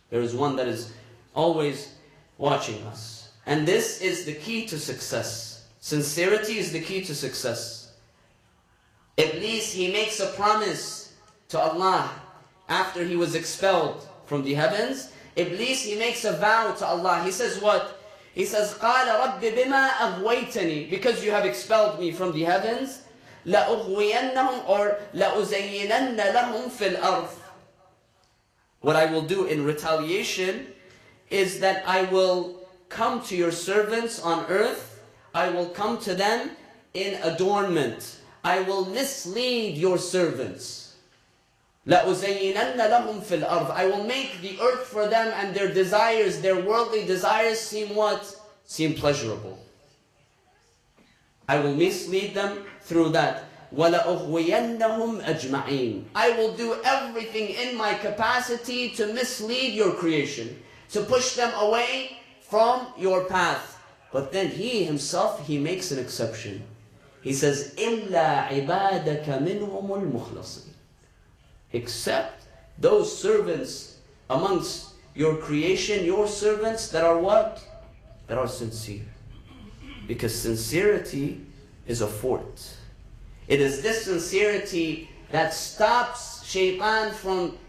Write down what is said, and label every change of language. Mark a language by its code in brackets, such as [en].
[en] There is one that is always watching us. And this is the key to success. Sincerity is the key to success. Iblis, he makes a promise to Allah after he was expelled from the heavens. Iblis, he makes a vow to Allah. He says what? He says, [ar] قَالَ رَبِّ بِمَا أَغْوَيْتَنِي. Because you have expelled me from the heavens, لَأُغْوِيَنَّهُمْ or لَأُزَيِّنَنَّ لَهُمْ فِي الْأَرْضِ. [en] What I will do in retaliation is that I will come to your servants on earth. I will come to them in adornment. I will mislead your servants. [ar] لَأُزَيِّنَنَّ لَهُمْ فِي الْأَرْضِ. [en] I will make the earth for them and their desires, their worldly desires, seem what? Seem pleasurable. I will mislead them through that. [ar] وَلَأُغْوِيَنَّهُمْ أَجْمَعِينَ. [en] I will do everything in my capacity to mislead your creation, to push them away from your path. But then he himself, he makes an exception. He says, [ar] إِلَّا عِبَادَكَ مِنْهُمُ الْمُخْلَصِينَ. [en] Except those servants amongst your creation, your servants that are what? That are sincere. Because sincerity is a fort. It is this sincerity that stops Shaytan from